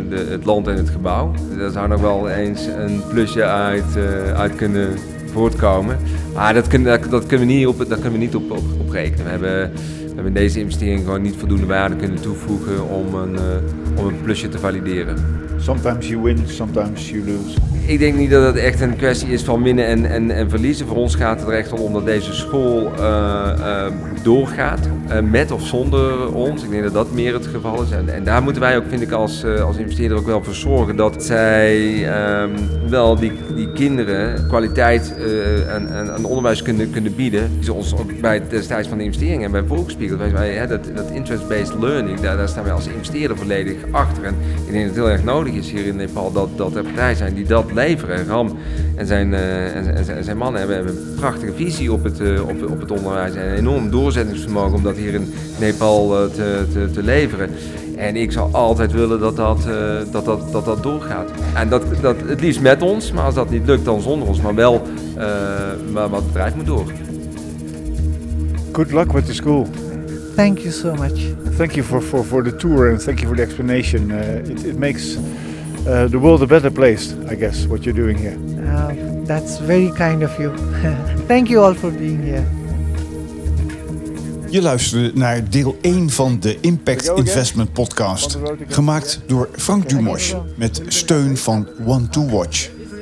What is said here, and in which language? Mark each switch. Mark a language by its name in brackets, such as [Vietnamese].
[Dutch] Het land en het gebouw. Daar zou nog wel eens een plusje uit kunnen voortkomen. Maar dat kunnen we niet op rekenen. We hebben in deze investering gewoon niet voldoende waarde kunnen toevoegen om een plusje te valideren. [English] Sometimes you win, sometimes you lose. [Dutch] Ik denk niet dat het echt een kwestie is van winnen en verliezen. Voor ons gaat het er echt om dat deze school doorgaat, met of zonder ons. Ik denk dat dat meer het geval is. En daar moeten wij ook, vind ik, als investeerder ook wel voor zorgen dat zij wel die kinderen kwaliteit en onderwijs kunnen bieden. Die ze ons ook bij het destijds van de investering en bij voorgespiegeld. Dat interest-based learning, daar staan wij als investeerder volledig achter. En ik denk dat het heel erg nodig is hier in Nepal dat er partijen zijn die dat leveren. Ram en zijn mannen hebben een prachtige visie op het onderwijs en een enorm doorzettingsvermogen om dat hier in Nepal te leveren. En ik zou altijd willen dat doorgaat. En dat het liefst met ons, maar als dat niet lukt dan zonder ons, maar wel wat het bedrijf moet door. [English] Good luck with the school. Thank you so much. Thank you for the tour and thank you for the explanation. It makes the world a better place, I guess, what you're doing here. That's very kind of you. Thank you all for being here. [Dutch] Je luisterde naar deel 1 van de Impact Investment Podcast, gemaakt door Frank Dumosch met steun van Want2Watch.